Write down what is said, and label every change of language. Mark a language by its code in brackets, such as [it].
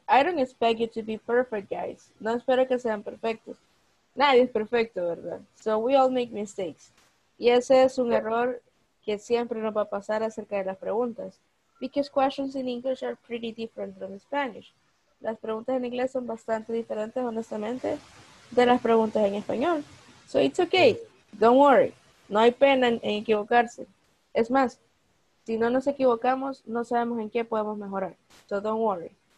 [en] I don't expect you to be perfect, guys. [es] No espero que sean perfectos. Nadie es perfecto, ¿verdad? [en] So we all make mistakes. [es] Y ese es un error que siempre nos va a pasar acerca de las preguntas. [en] Because questions in English are pretty different from Spanish. [es] Las preguntas en inglés son bastante diferentes, honestamente, de las preguntas en español. [en] So it's okay. Don't worry. [es] No hay pena en equivocarse. Es más, si no nos equivocamos, no sabemos en qué podemos mejorar. [en] So don't worry.